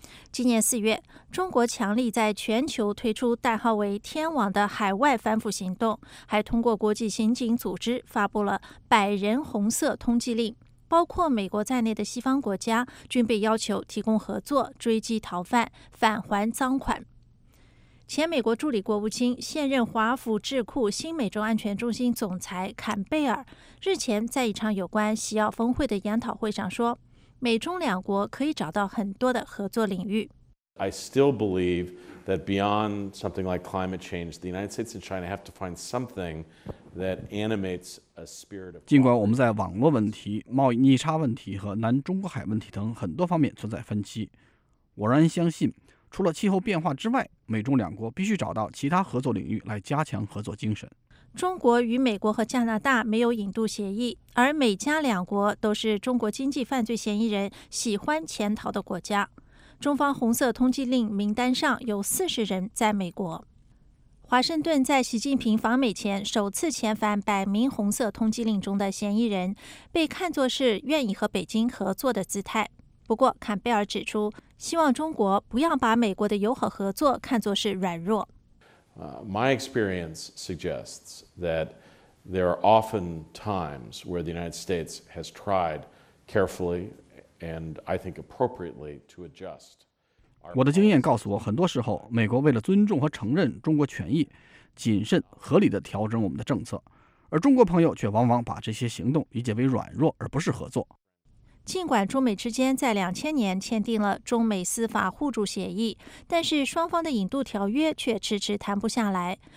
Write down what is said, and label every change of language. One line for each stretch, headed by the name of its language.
Chinese: 今年四月，中国强力在全球推出代号为“天网”的海外反腐行动，还通过国际刑警组织发布了百人红色通缉令，包括美国在内的西方国家均被要求提供合作，追缉逃犯，返还赃款。前美国助理国务卿、现任华府智库新美洲安全中心总裁坎贝尔日前在一场有关西澳峰会的研讨会上说，美中两国可以找到很多的合作领域。
English: I still believe that beyond something like climate change, the United States and China have to find something that animates a spirit of.
Chinese: 尽管我们在网络问题、贸易逆差问题和南中国海问题等很多方面存在分歧，我仍然相信，除了气候变化之外，美中两国必须找到其他合作领域来加强合作精神。中国与美国和加拿大没有引渡协议，而美加两国都是中国经济犯罪嫌疑人喜欢潜逃的国家。中方红色通缉令名单上有40人在美国。华盛顿在习近平访美前首次遣返百名红色通缉令中的嫌疑人，被看作是愿意和北京合作的姿态。不过，坎贝尔指出，希望中国不要把美国的友好合作看作是软弱。
English: My experience suggests that There are often times where the United States has tried carefully and I think appropriately to adjust.
Chinese: 我的经验告诉我，很多时候美国为了尊重和承认中国权益，谨慎合理地调整我们的政策，而中国朋友却往往把这些行动理解为软弱，而不是合作。尽管中美之间在2000年签订了中美司法互助协议，但是双方的引渡条约却迟迟谈不下来。